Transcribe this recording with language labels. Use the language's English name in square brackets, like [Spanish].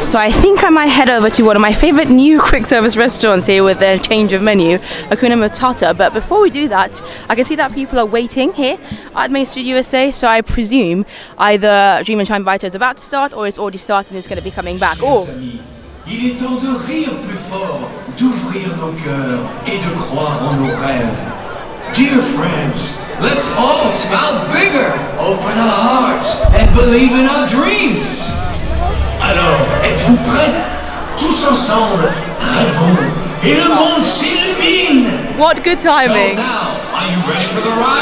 [English] So I think I might head over to one of my favourite new quick service restaurants here with their change of menu, Hakuna Matata. But before we do that, I can see that people are waiting here at Main Street USA. So I presume either Dream and Chime Vita is about to start or it's already started and it's going to be coming back. Oh. [French] Il est temps de rire plus fort, d'ouvrir nos cœurs et de croire en nos rêves. [English] Dear friends, let's all smile bigger, open our hearts, and believe in our dreams. [French] Alors, êtes-vous prêts? Tous ensemble, rêvons, et le monde s'illumine. [English] What good timing. So now, are you ready for the ride?